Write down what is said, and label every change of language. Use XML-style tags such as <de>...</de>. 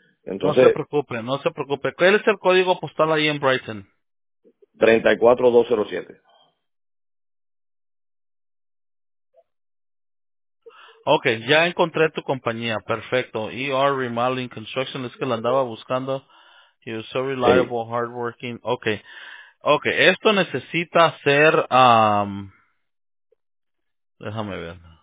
<es>Entonces, no se preocupe. ¿Cuál es el código postal ahí en Brighton? 34207. Okay, ya encontré tu compañía, perfecto. ER Remodeling Construction, es que la andaba buscando.</es> <en>You're so reliable, hardworking.</en> <es>Okay, esto necesita ser, déjame ver.</es>